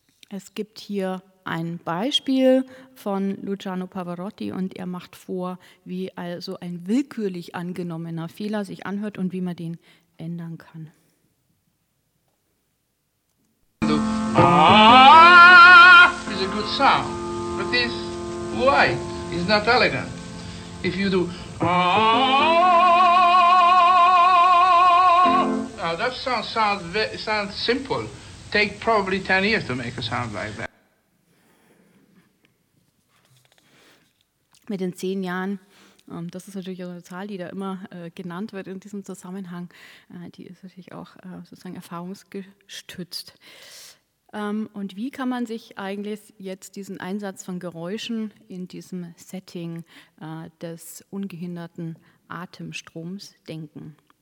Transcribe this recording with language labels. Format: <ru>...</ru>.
<de>Es gibt hier ein Beispiel von Luciano Pavarotti und er macht vor, wie also ein willkürlich angenommener Fehler sich anhört und wie man den ändern kann.</de> <en>Ah, is a good sound, but this why is not elegant. If you do ah. That sounds simple. Take probably 10 years to make a sound like that.</en> <de>Mit den 10 Jahren, das ist natürlich auch eine Zahl, die da immer genannt wird in diesem Zusammenhang, die ist natürlich auch sozusagen erfahrungsgestützt. Und wie kann man sich eigentlich jetzt diesen Einsatz von Geräuschen in diesem Setting des ungehinderten Atemstroms denken?</de>